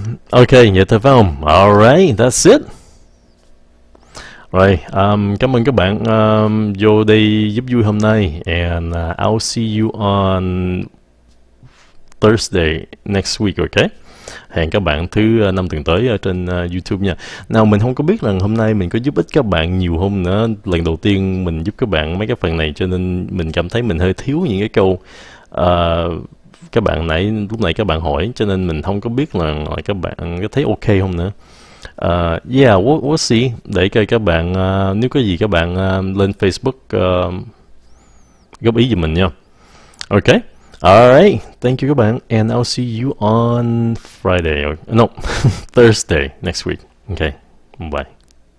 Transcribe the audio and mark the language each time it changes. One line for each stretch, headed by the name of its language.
Vietnamese: Ok, vậy thôi phải không?
English: Alright, that's it.
Vietnamese: Rồi, cảm ơn các bạn vô đây giúp vui hôm nay.
English: And I'll see you on Thursday next week, ok?
Vietnamese: Hẹn các bạn thứ năm tuần tới ở trên YouTube nha. Nào, mình không có biết rằng hôm nay mình có giúp ích các bạn nhiều hôm nữa. Lần đầu tiên mình giúp các bạn mấy cái phần này cho nên mình cảm thấy mình hơi thiếu những cái câu. Các bạn nãy lúc nãy các bạn hỏi cho nên mình không có biết là các bạn có thấy ok không nữa.
English: We'll see.
Vietnamese: Để coi các bạn nếu có gì các bạn lên Facebook góp ý giùm mình nha. Ok.
English: Alright, thank you
Vietnamese: các bạn
English: and I'll see you on Friday or no, Thursday next week. Okay. Bye.